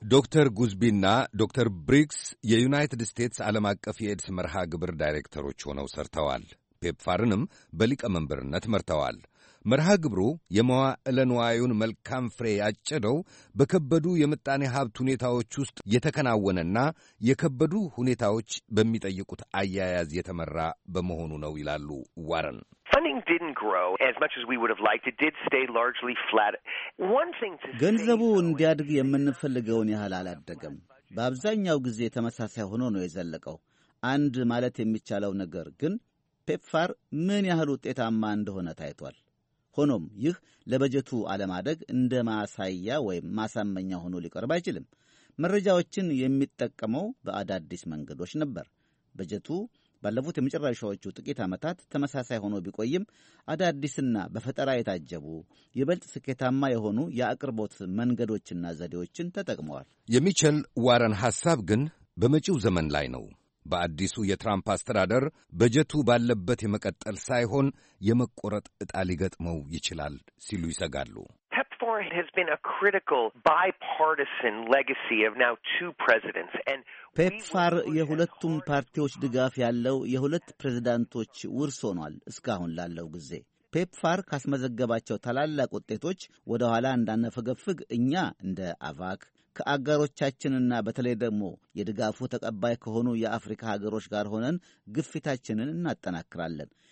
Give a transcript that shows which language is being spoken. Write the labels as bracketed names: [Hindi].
[Amharic] ዶክተር ጉዝቢ እና ዶክተር ብሪክስ የዩናይትድ ስቴትስ ዓለም አቀፍ የኤድስ መርሃ ግብር ዳይሬክተሮች ሆነው ሰርተዋል። ፔፕፋርንም በሊቀመንበርነት መርተዋል። መርሃ ግብሩ የመዋዕለ ንዋዩን መልካም ፍሬ ያጨደው በከበዱ የምጣኔ ሀብት ሁኔታዎች ውስጥ የተከናወነና የከበዱ ሁኔታዎች በሚጠይቁት አያያዝ የተመራ በመሆኑ ነው ይላሉ ዋረን። [English] Funding didn't grow as much as we would have liked. It did stay largely flat. One thing to say, [Amharic] ገንዘቡ እንዲያድግ የምንፈልገውን ያህል አላደገም። በአብዛኛው ጊዜ ተመሳሳይ ሆኖ ነው የዘለቀው። አንድ ማለት የሚቻለው ነገር ግን ፔፕፋር ምን ያህል ውጤታማ እንደሆነ ታይቷል። ሆኖም ይህ ለበጀቱ አለማደግ እንደ ማሳያ ወይም ማሳመኛ ሆኖ ሊቀርብ አይችልም። መረጃዎችን የሚጠቀመው በአዳዲስ መንገዶች ነበር። በጀቱ ባለፉት የመጨረሻዎቹ ጥቂት ዓመታት ተመሳሳይ ሆኖ ቢቆይም አዳዲስና በፈጠራ የታጀቡ ይበልጥ ስኬታማ የሆኑ የአቅርቦት መንገዶችና ዘዴዎችን ተጠቅመዋል። የሚቸል ዋረን ሐሳብ ግን በመጪው ዘመን ላይ ነው። በአዲሱ የትራምፕ አስተዳደር በጀቱ ባለበት የመቀጠል ሳይሆን የመቆረጥ እጣ ሊገጥመው ይችላል ሲሉ ይሰጋሉ። [English] PEPFAR has been a critical bipartisan legacy of now two presidents and [Amharic] PEPFAR የሁለቱም ፓርቲዎች ድጋፍ ያለው የሁለት ፕሬዝዳንቶች ውርስ ሆኗል። እስካሁን ላለው ጊዜ PEPFAR ካስመዘገባቸው ታላላቅ ውጤቶች ወደ ኋላ እንዳነፈገፈግ እኛ እንደ አቫክ ከአጋሮቻችንና በተለይ ደግሞ የድጋፉ ተቀባይ ከሆኑ የአፍሪካ ሀገሮች ጋር ሆነን ግፊታችንን እናጠናክራለን።